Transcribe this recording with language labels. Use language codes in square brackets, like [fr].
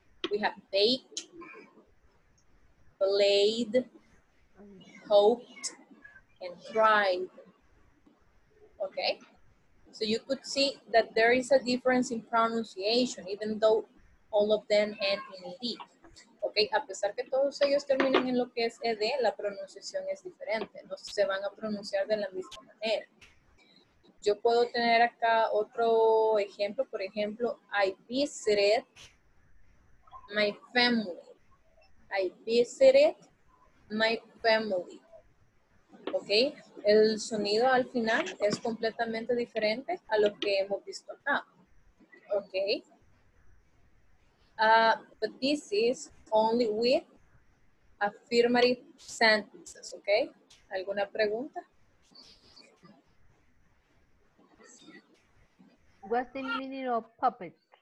[en] We have bake, played, hoped, and cried. Okay, so you could see that there is a difference in pronunciation, even though all of them end in ed. [es] Okay, a pesar que todos ellos terminan en lo que es ed, la pronunciación es diferente. No se van a pronunciar de la misma manera. Yo puedo tener acá otro ejemplo. Por ejemplo, [en] I visited my family. I visited my family. [es] Okay, el sonido al final es completamente diferente a lo que hemos visto acá. [en] Okay. But this is only with affirmative sentences, okay? [es] ¿Alguna pregunta? [en] What's the meaning of puppet?